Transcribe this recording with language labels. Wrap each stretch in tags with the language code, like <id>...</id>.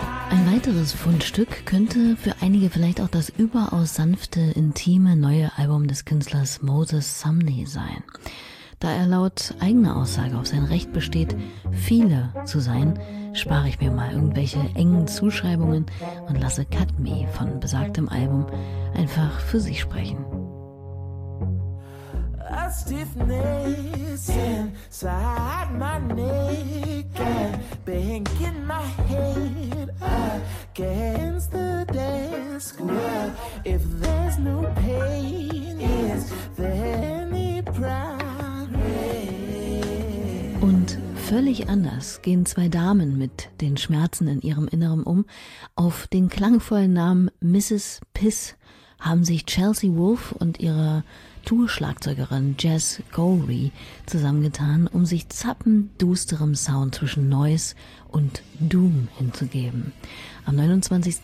<de>Ein weiteres Fundstück könnte für einige vielleicht auch das überaus sanfte, intime neue Album des Künstlers Moses Sumney sein, da er laut eigener Aussage auf sein Recht besteht, viele zu sein, spare ich mir mal irgendwelche engen Zuschreibungen und lasse Cut Me von besagtem Album einfach für sich sprechen.</de> <en>A stiffness inside my neck and banging my head against the desk. Well, if there's no pain, is there any progress?</en> <de>Und völlig anders gehen zwei Damen mit den Schmerzen in ihrem Inneren um. Auf den klangvollen Namen Mrs. Piss haben sich Chelsea Wolfe und ihre Tour-Schlagzeugerin Jess Gowry zusammengetan, um sich zappenduster Sound zwischen Noise und Doom hinzugeben. Am 29.</de>